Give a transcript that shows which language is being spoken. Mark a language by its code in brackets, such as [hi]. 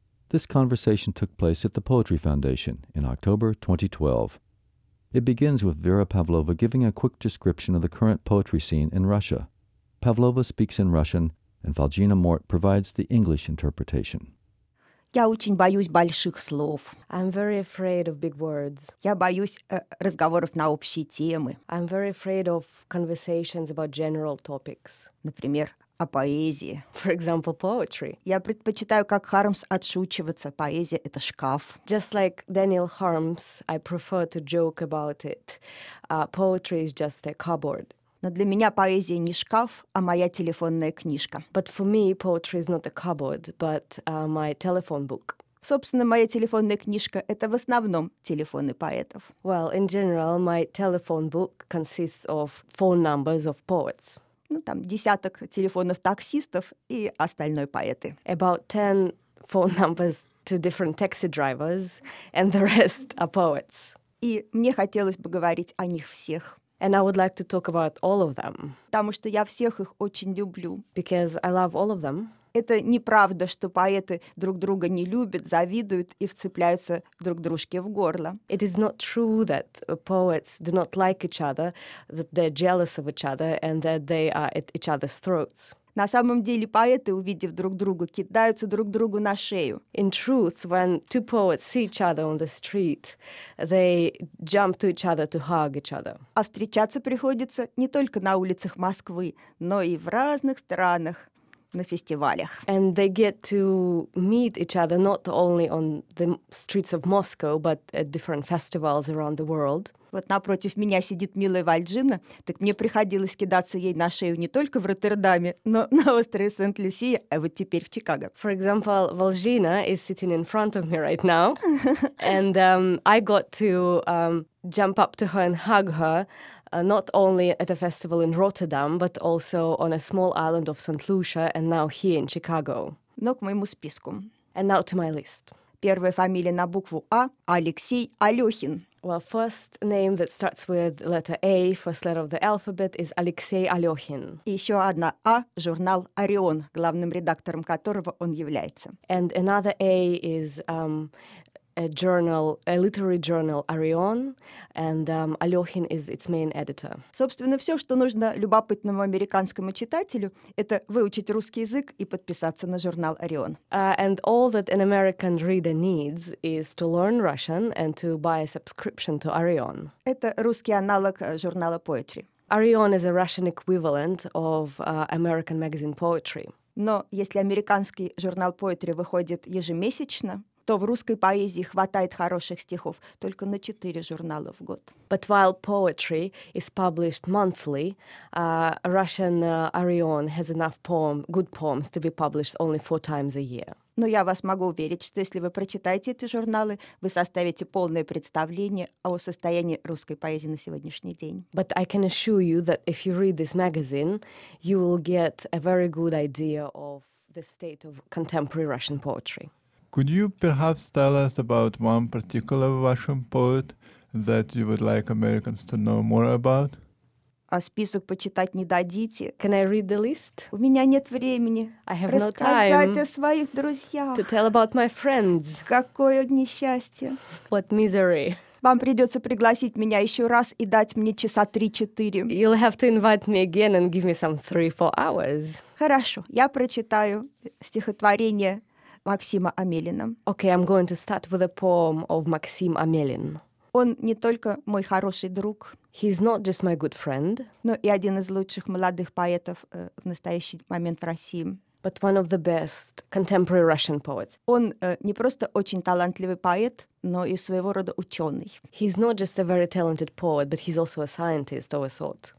[en] This conversation took place at the Poetry Foundation in October 2012. It begins with Vera Pavlova giving a quick description of the current poetry scene in Russia. Pavlova speaks in Russian, and Valjina Mort provides the English interpretation. [ru] Я очень боюсь больших слов. [en] I'm very afraid of big words. [ru] Я боюсь разговоров на общие темы. [en] I'm very afraid of conversations about general topics. [ru] Например, о поэзии. [en] For example, poetry. [ru] Я предпочитаю, как Хармс, отшучиваться. Поэзия — это шкаф. [en] Just like Daniel Harms, I prefer to joke about it. Poetry is just a cupboard. [ru] Но для меня поэзия не шкаф, а моя телефонная книжка. [en] But for me, poetry is not a cupboard, but my telephone book. [ru] Собственно, моя телефонная книжка — это в основном телефоны поэтов. [en] Well, in general, my telephone book consists of phone numbers of poets. [ru] Ну, там, десяток телефонов таксистов и остальной поэты. [en] About 10 phone numbers to different taxi drivers, and the rest are poets. [ru] И мне хотелось бы говорить о них всех. [en] And I would like to talk about all of them. [ru] Потому что я всех их очень люблю. [en] Because I love all of them. [ru] Это неправда, что поэты друг друга не любят, завидуют и вцепляются друг дружке в горло. [en] It is not true that poets do not like each other, that they're jealous of each other, and that they are at each other's throats. [ru] На самом деле поэты, увидев друг друга, кидаются друг другу на шею. [en] In truth, when two poets see each other on the street, they jump to each other to hug each other. [ru] А встречаться приходится не только на улицах Москвы, но и в разных странах, на фестивалях. [en] And they get to meet each other not only on the streets of Moscow, but at different festivals around the world. [ru] Вот напротив меня сидит милая Вальджина, так мне приходилось кидаться ей на шею не только в Роттердаме, но на острове Сент-Люсия, а вот теперь в Чикаго. [en] For example, Valjina is sitting in front of me right now, and I got to jump up to her and hug her, not only at a festival in Rotterdam, but also on a small island of St. Lucia, and now here in Chicago. [ru] Но к моему списку. [en] And now to my list. [ru] Первая фамилия на букву А — Алексей Алёхин. [en] Well, first name that starts with letter A, first letter of the alphabet, is Алексей Алёхин. [ru] И ещё одна А — журнал «Орион», главным редактором которого он является. [en] And another A is a journal, a literary journal, Orion, and Алёхин is its main editor. [ru] Собственно, всё, что нужно любопытному американскому читателю, это выучить русский язык и подписаться на журнал Орион. [en] And all that an American reader needs is to learn Russian and to buy a subscription to Orion. [ru] Это русский аналог журнала Poetry. [en] Orion is a Russian equivalent of American magazine Poetry. [ru] Но если американский журнал Poetry выходит ежемесячно, то в русской поэзии хватает хороших стихов только на 4 журнала в год. [en] But while poetry is published monthly, Russian Orion has enough good poems to be published only 4 times a year. [ru] Но я вас могу уверить, что если вы прочитаете эти журналы, вы составите полное представление о состоянии русской поэзии на сегодняшний день. [en] But I can assure you that if you read this magazine, you will get a very good idea of the state of contemporary Russian poetry. Could you perhaps tell us about one particular Russian poet that you would like Americans to know more about? [ru] список почитать не дадите. [en] Can I read the list? [ru] У меня нет времени. [en] I have no time. [ru] Рассказать о своих друзьях. [en] To tell about my friends. [ru] Какое несчастье. [en] What misery. [ru] Вам придется пригласить меня еще раз и дать мне часа 3-4. [en] You'll have to invite me again and give me some 3-4 hours. [ru] Хорошо, я прочитаю стихотворение Максима Амелина. [en] Okay, I'm going to start with a poem of Maxim Amelin. [ru] Он не только мой хороший друг. [en] He's not just my good friend. [ru] Но и один из лучших молодых поэтов в настоящий момент в России. [en] But one of the best contemporary Russian poets. [ru] Он не просто очень талантливый поэт, но и своего рода ученый. [en] He's not just a very talented poet, but he's also a scientist of a sort.